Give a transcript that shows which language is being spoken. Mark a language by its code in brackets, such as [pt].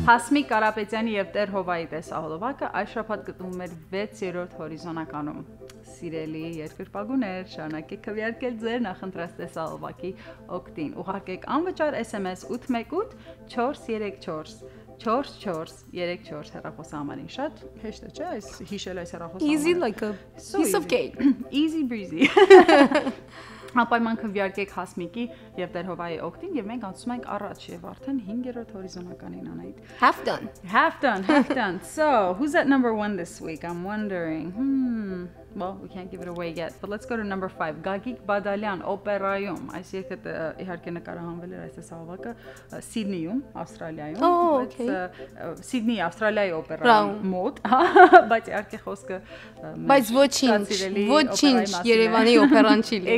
[hy] Հասմիկ Կարապետյանի և Տեր Հովայի տեսահոլովակը այս շաբաթ գտնվում էր 6-րդ հորիզոնականում։ Սիրելի երկրպագուներ, շարունակեք քվեարկել ձեր նախընտրած տեսահոլովակի օգտին։ Ուղարկեք անվճար SMS 818-434 4434 հեռախոսահամարին, շատ հեշտ է, չէ՞, այս հիշել այս հեռախոսահամարը։ [en] Easy like a piece of cake. Easy breezy. [hy] Հապայման քվյարկեք Հասմիկի և դեր Հովայի օգտին և մենք անցում ենք առաջ և արդեն 5-րդ հորիզոնականին Անահիտ. [en] Have done. So, who's at number one this week? I'm wondering. Well, we can't give it away yet, but let's go to number 5. [hy] Գագիկ Բադալյան, Օպերայում. Այս երգը իհարկե նկարահանվել էր այս տեսահավաքը Սիդնիում, Ավստրալիայում. Սիդնի, Ավստրալիայի օպերայում մոտ, բայց իհարկե խոսքը Բայց ոչինչ Երևանի օպերան չի լինի.